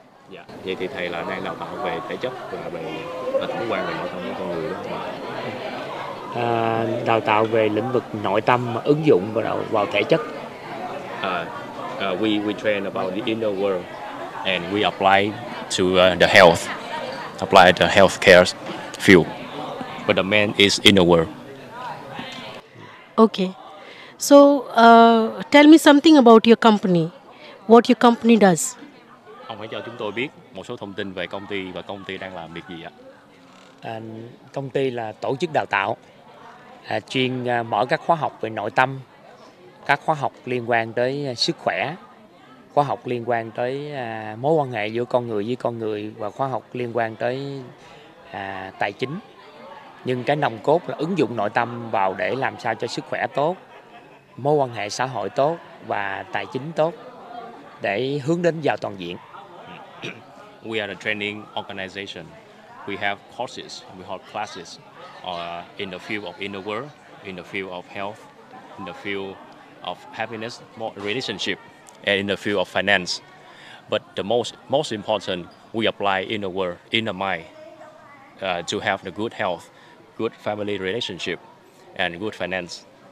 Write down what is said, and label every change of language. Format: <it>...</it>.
<vi>Dạ, vậy thì thầy là đang đào tạo về thể chất và về tổng quan về nội tâm của con người đó không ạ? Đào tạo về lĩnh vực nội tâm ứng dụng vào thể chất.</vi> <en>We train about the inner world and we apply to the health, apply the healthcare field, but the main is inner world. Okay, so tell me something about your company. What your company does?</en> <vi>Ông hãy cho chúng tôi biết một số thông tin về công ty và công ty đang làm việc gì ạ? Công ty là tổ chức đào tạo. Chuyên mở các khóa học về nội tâm, các khóa học liên quan tới sức khỏe, khóa học liên quan tới mối quan hệ giữa con người với con người và khóa học liên quan tới tài chính. Nhưng cái nòng cốt là ứng dụng nội tâm vào để làm sao cho sức khỏe tốt, mối quan hệ xã hội tốt và tài chính tốt để hướng đến giàu toàn diện.</vi> <en>We are a training organization. We have courses, we have classes in the field of inner world, in the field of health, in the field of happiness, more relationship, and in the field of finance. But the most important, we apply inner world, inner mind, to have the good health, good family relationship, and good finance.</en>